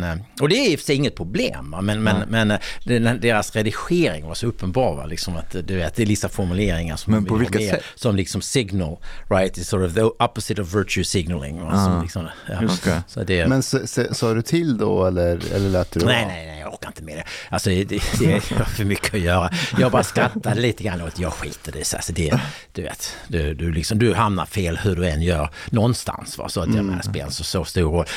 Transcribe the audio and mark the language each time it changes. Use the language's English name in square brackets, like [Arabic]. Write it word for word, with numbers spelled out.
[Swedish] men, och det är i sig inget problem. Va? Men, mm. men, men deras redigering var så uppenbar. Va? Liksom att, du vet, det är vissa formuleringar som, men på vilket sätt? Som liksom [English] signal, right? It's sort of the opposite of virtue signaling. [Swedish] Va? Som ah. liksom, ja. Okay. Så det, men så, så, sa du till då eller, eller lät du? Nej, nej, nej, jag orkar inte med det. Alltså, det, det är för mycket att göra. Jag bara skrattar lite grann åt jag skiter det så alltså det du vet du du liksom du hamnar fel hur du än gör någonstans, va? Så att mm. det här spelar så, så stor roll.